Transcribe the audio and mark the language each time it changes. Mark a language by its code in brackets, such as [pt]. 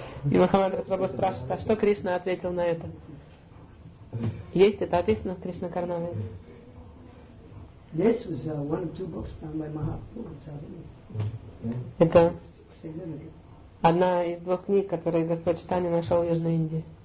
[ru] И Махамад Прабху спрашивает, а что Кришна ответил на это? Есть это описано в Кришна Карнаме? [en] This was one of two books found by Mahaprabhu in Chaitanya. [ru] Это одна из двух книг, которые Господь Читания нашел в Южной Индии.